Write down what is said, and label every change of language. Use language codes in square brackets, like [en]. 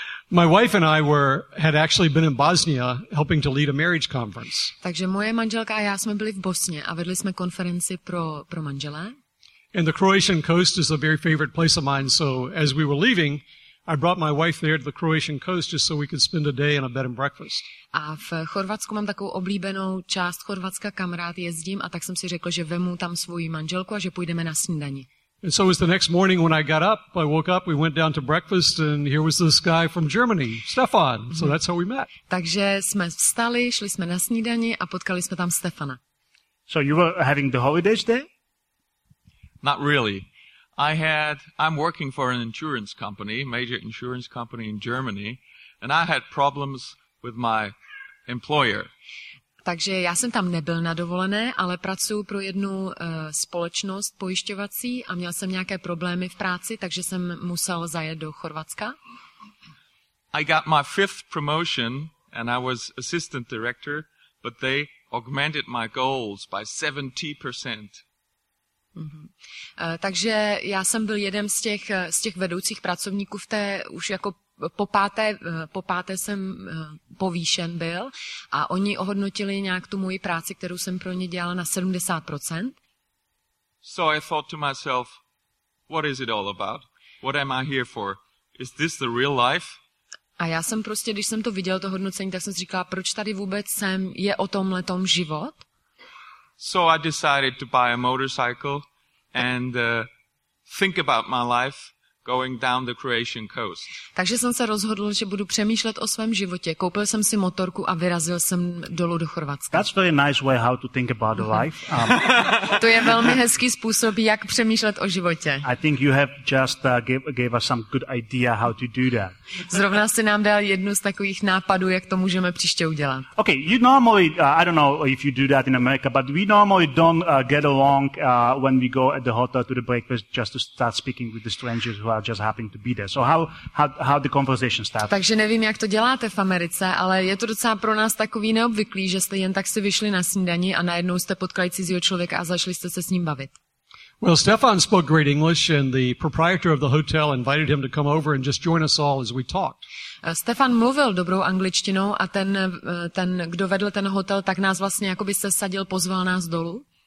[en] My wife and I had actually been in Bosnia helping to lead a marriage conference. [cs] Takže moje manželka a já jsme byli v Bosně a vedli jsme konferenci pro manžele. [en] And the Croatian coast is a very favorite place of mine, so as we were leaving, I brought my wife there to the Croatian coast just so we could spend a day in a bed and breakfast. [cs] A v Chorvatsku mám takovou oblíbenou část Chorvatska, kam rád jezdím, a tak jsem si řekl, že vemu tam svoji manželku a že půjdeme na snídani. [en] And so it was the next morning when I got up, I woke up, we went down to breakfast, and here was this guy from Germany, Stefan. So that's how we met. [cs] Takže jsme vstali, šli jsme na snídani a potkali jsme tam Stefana. [en] So you were having the holidays there? Not really. I'm working for an insurance company, major insurance company in Germany, and I had problems with my employer. [cs] Takže já jsem tam nebyl na dovolené, ale pracuji pro jednu společnost pojišťovací a měl jsem nějaké problémy v práci, takže jsem musel zajet do Chorvatska. [en] I got my fifth promotion and I was assistant director, but they augmented my goals by 70%. [cs] Takže já jsem byl jeden z těch vedoucích pracovníků v té už jako po páté jsem povýšen byl a oni ohodnotili nějak tu moji práci, kterou jsem pro ně dělal, na 70%. [en] So I thought to myself, what is it all about? What am I here for? Is this the real life? [cs] A já jsem prostě, když jsem to viděl, to hodnocení, tak jsem si říkala, proč tady vůbec jsem, je o tomhle tom život? [en] So I decided to buy a motorcycle and think about my life going down the Croatian coast. [cs] Takže jsem se rozhodl, že budu přemýšlet o svém životě. Koupil jsem si motorku a vyrazil jsem dolů do Chorvatska. [en] That's very nice way how to think about life. [cs] To je velmi hezký způsob, jak přemýšlet o životě. [en] I think you have just gave us some good idea how to do that. [cs] Zrovna si nám dal jednu z takových nápadů, jak to můžeme příště udělat. [en] Okay, you normally, I don't know if you do that in America, but we normally don't get along when we go at the hotel to the breakfast just to start speaking with the strangers who are just happening to be there. So how the conversation starts. [cs] Takže nevím, jak to děláte v Americe, ale je to docela pro nás takový neobvyklý, že jste jen tak si vyšli na snídani a najednou jste potkali cizího člověka a začali jste se s ním bavit. [en] Well, Stefan spoke great English and the proprietor of the hotel invited him to come over and just join us all as we talked. [cs] Stefan mluvil dobrou angličtinou a ten kdo vedl ten hotel, tak nás vlastně jakoby sesadil, pozval nás dolů.